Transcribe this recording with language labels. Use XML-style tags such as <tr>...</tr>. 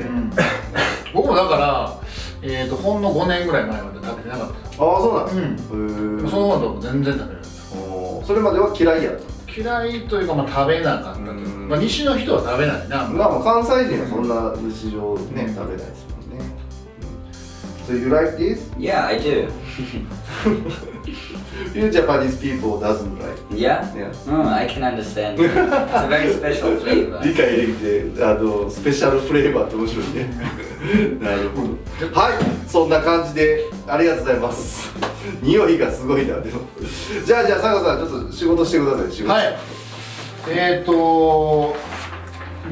<ja>うん、僕もだから、ほんの5年ぐらい前まで食べてなかった。ああそうなの、うん、そのままでも全然食べられない。それまでは嫌いやった。嫌いというか、まあ、食べなかったというか、まあ、西の人は食べないな、まあ、もう関西人はそんな日常ね、うん、食べないですもんね。</ja> <en>So you like this? Yeah, I do. You Japanese people doesn't like it. Yeah? Yeah. Mm, I can understand. It's a very special flavor.</en> <ja>理解できて、スペシャルフレーバーって面白いね。なるほど。はい、そんな感じで、ありがとうございます。匂いがすごいな、でも。じゃあ、佐賀さん、ちょっと仕事してください。仕事。はい。</ja>